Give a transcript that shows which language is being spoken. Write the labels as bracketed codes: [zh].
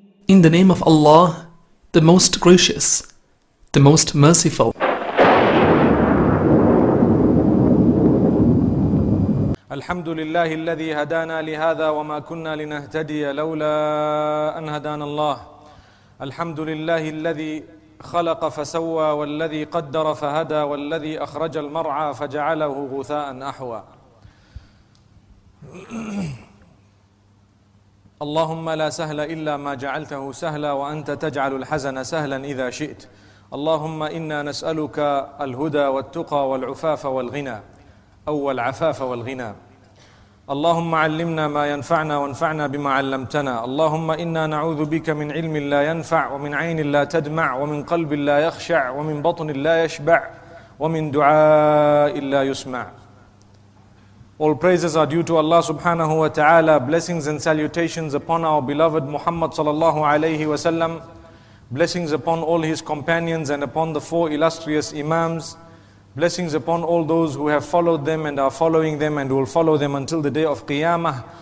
[en] In the name of Allah, the Most Gracious, the Most Merciful. [ar] الحمد لله الذي هدانا لهذا وما كنا لنهتدي لولا أن هدانا الله. الحمد لله الذي خلق فسوى والذي قدر فهدى والذي أخرج المرعى فجعله غثاء أحوى. اللهم لا سهل إلا ما جعلته سهلا وأنت تجعل الحزن سهلا إذا شئت. اللهم إنا نسألك الهدى والتقى والعفاف والغنى أو العفاف والغنى. اللهم علمنا ما ينفعنا وانفعنا بما علمتنا. اللهم إنا نعوذ بك من علم لا ينفع ومن عين لا تدمع ومن قلب لا يخشع ومن بطن لا يشبع ومن دعاء لا يسمع. [en] All praises are due to Allah subhanahu wa ta'ala. Blessings and salutations upon our beloved Muhammad sallallahu alayhi wa sallam. Blessings upon all his companions and upon the four illustrious imams. Blessings upon all those who have followed them and are following them and will follow them until the day of Qiyamah.